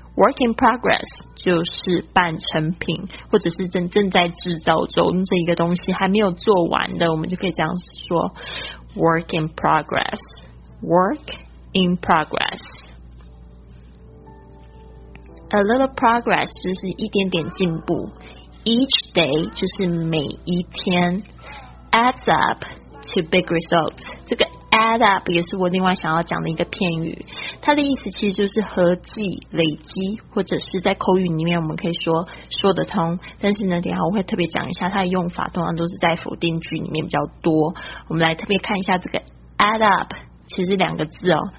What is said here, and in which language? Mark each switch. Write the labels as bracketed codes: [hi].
[en] Work in progress [zh] 就是半成品，或者是正在制造中这一个东西还没有做完的，我们就可以这样说 ：Work in progress. [en] Work in progress. A little progress [zh] 就是一点点进步。 [en] Each day [zh] 就是每一天 [en] ，adds up to big results. [zh] 这个 add up 也是我另外想要讲的一个片语。它的意思其实就是合计、累积，或者是在口语里面我们可以说得通。但是呢，等一下我会特别讲一下它的用法，通常都是在否定句里面比较多。我们来特别看一下这个 add up， 其实两个字哦。